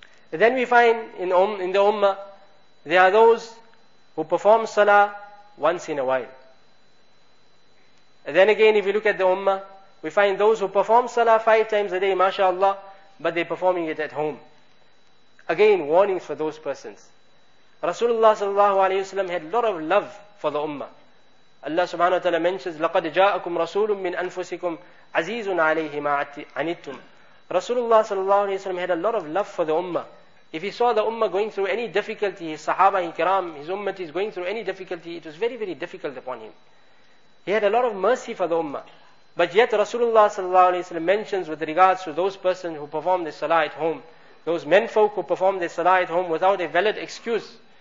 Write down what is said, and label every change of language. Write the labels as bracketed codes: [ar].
[en] Then we find in the Ummah, there are those who perform Salah once in a while. And then again, if you look at the Ummah, we find those who perform Salah 5 times a day, mashallah, but they're performing it at home. Again, warnings for those persons. Rasulullah sallallahu alayhi wa sallam had a lot of love for the Ummah. [ar] Allah subhanahu wa ta'ala mentions, لَقَدْ جَاءَكُمْ رَسُولٌ مِّنْ أَنفُسِكُمْ عَزِيزٌ عَلَيْهِ مَا عَنِتُّمْ. [en] Rasulullah sallallahu alayhi wa sallam had a lot of love for the Ummah. If he saw the Ummah going through any difficulty, his Sahaba, his Kiram, his Ummah is going through any difficulty, it was very, very difficult upon him. He had a lot of mercy for the Ummah. But yet Rasulullah sallallahu alayhi wa sallam mentions with regards to those persons who perform the Salah at home, those menfolk who perform their Salah at home without a valid excuse.